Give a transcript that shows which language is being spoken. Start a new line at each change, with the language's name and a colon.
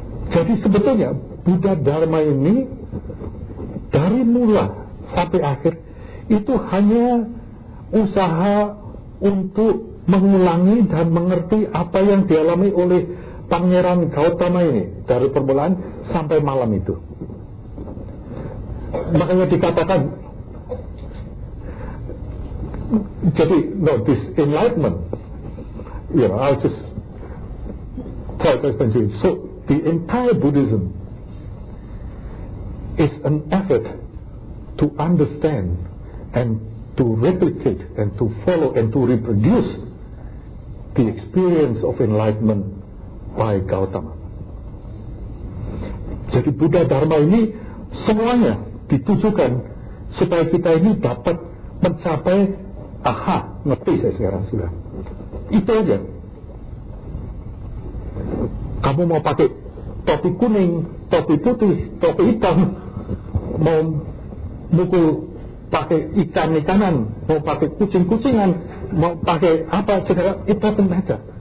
Indonesian: Jadi sebetulnya Buddha Dharma ini dari mula sampai akhir itu hanya usaha untuk mengulangi dan mengerti apa yang dialami oleh Pangeran Gautama ini dari permulaan sampai malam itu. Makanya dikatakan, jadi
English: no, this enlightenment, you know, I'll just tell this to you. So the entire Buddhism is an effort to understand and to replicate and to follow and to reproduce the experience of enlightenment by Gautama.
Indonesian: Jadi Buddha Dharma ini semuanya ditujukan supaya kita ini dapat mencapai, aha, ngerti saya sekarang sudah. Itu aja. Kamu mau pakai topi kuning, topi putih, topi hitam, mau mukul pakai ikan-ikanan, mau pakai kucing-kucingan, mau pakai apa segala, itu saja.